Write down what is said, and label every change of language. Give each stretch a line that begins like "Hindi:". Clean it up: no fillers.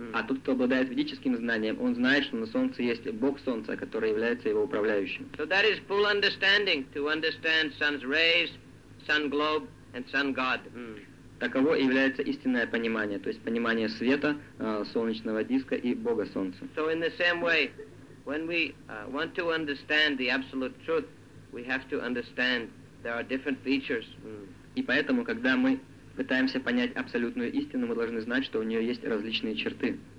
Russian: А тот, кто обладает ведическим знанием, он знает, что на солнце есть бог солнца, который является его управляющим.
English: So that is full understanding, to understand sun's rays, sun globe, and sun god.
Russian: Таково и является истинное понимание, то есть понимание света, солнечного диска и Бога Солнца.
English: So in the same way, when we want to understand the absolute truth, we have to understand there are different features.
Russian: И поэтому, когда мы пытаемся понять абсолютную истину, мы должны знать, что у нее есть различные черты.